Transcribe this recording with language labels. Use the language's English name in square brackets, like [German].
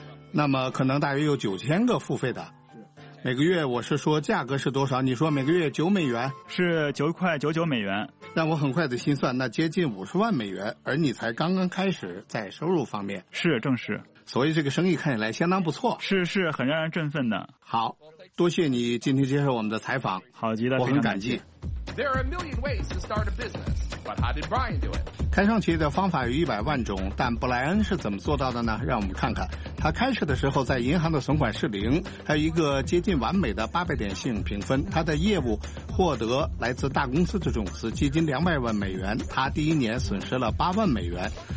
[Chinese] 那么可能大约有9000个付费的。每个月我是说价格是多少，你说每个月9美元，是9.99美元，让我很快的心算，那接近50万美元，而你才刚刚开始在收入方面。是，正是。所以这个生意看起来相当不错。是是，很让人振奋的。好，多谢你今天接受我们的采访。好极了，我很感激。 [English] There are a million ways to start a business, but how did Brian do it? [Chinese] 看上去的方法有100万种，但布莱恩是怎么做到的呢？让我们看看，他开始的时候在银行的存款是零，还有一个接近完美的800点信用评分。他的业务获得来自大公司的种子基金200万美元，他第一年损失了8万美元。